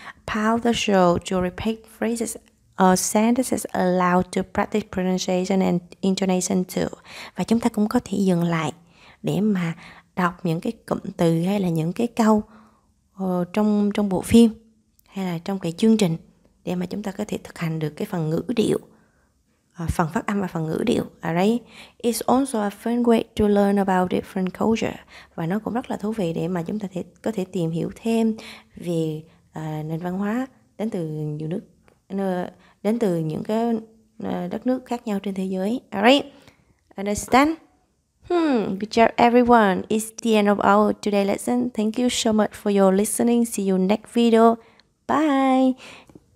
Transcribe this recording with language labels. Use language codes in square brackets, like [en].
[en] Pause the show to repeat phrases or sentences aloud to practice pronunciation and intonation too. [vi] Và chúng ta cũng có thể dừng lại để mà đọc những cái cụm từ hay là những cái câu trong bộ phim hay là trong cái chương trình để mà chúng ta có thể thực hành được cái phần ngữ điệu, phần phát âm và phần ngữ điệu. [en] Alright. It's also a fun way to learn about different culture. Và nó cũng rất là thú vị để mà chúng ta có thể tìm hiểu thêm về nền văn hóa đến từ nhiều nước, đến từ những cái đất nước khác nhau trên thế giới. Alright. Understand? Good job, everyone. It's the end of our today lesson. Thank you so much for your listening. See you next video. Bye.